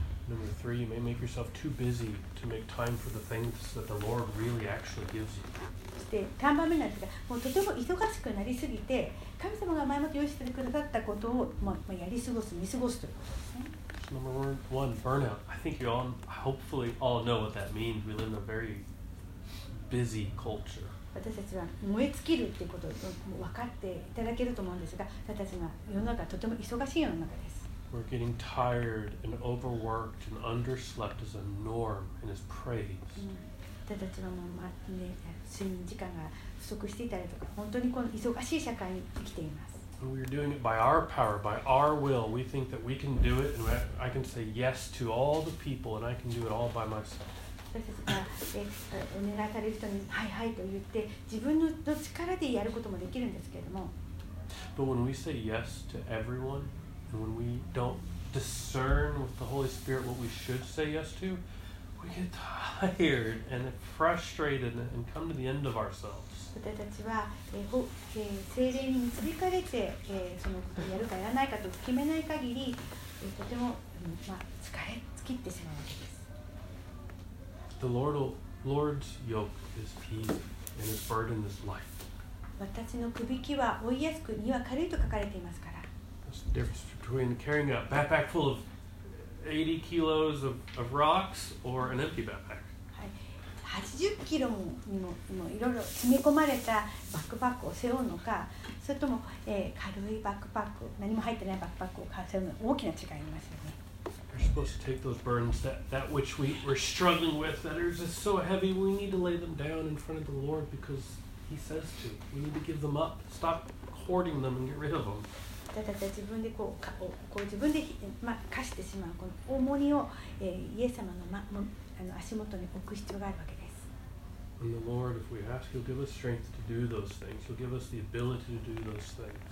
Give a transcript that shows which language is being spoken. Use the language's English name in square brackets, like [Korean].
[English] Number three, you may make yourself too busy to make time for the things that the Lord really actually gives you. [Japanese] で、3番目なんですが、もうとても忙しくなりすぎて、神様が前もって用意してくださったことを、まあ、やり過ごす、見過ごすということですね。 [English] Number one, burnout. I think you all, hopefully, all know what that means. We live in a very busy culture. [Japanese] 私たちは燃え尽きるということを分かっていただけると思うんですが、私たちは世の中とても忙しい世の中です。 [English] We're getting tired and overworked and underslept as a norm and is praised. [Japanese] 私たちはもう、ね、睡眠時間が不足していたりとか、本当にこの忙しい社会に生きています。 [English] And we're doing it by our power, by our will. We think that we can do it and I can say yes to all the people and I can do it all by myself. [Japanese] 私たちがお願いされる人にはいはいと言って、自分の力でやることもできるんですけれども。 [English] But when we say yes to everyone,And when we don't discern with the Holy Spirit what we should say yes to, We get tired and frustrated and come to the end of ourselves. [Japanese] 私たちは、聖霊に導かれて、そのことをやるかやらないかと決めない限り、とても、疲れ尽きてしまうわけです。 [English] The Lord's yoke is peace and his burden is life. [Japanese] 私の首輝は負いやすく、荷は軽いと書かれていますから。 [English] That's the difference between carrying a backpack full of 80 kilos of rocks or an empty backpack. [Japanese] 80キロにもいろいろ詰め込まれたバックパックを背負うのか、それとも、軽いバックパック、何も入ってないバックパックを背負うのか、大きな違いありますよね。 [English] We're supposed to take those burdens, that which we were struggling with, that is just so heavy, we need to lay them down in front of the Lord because He says to. We need to give them up, stop hoarding them and get rid of them. [Japanese] 自分でこう、自分で、貸してしまうこの重荷を、イエス様の、足元に置く必要があるわけです。 [English] And the Lord, if we ask, He'll give us strength to do those things. He'll give us the ability to do those things.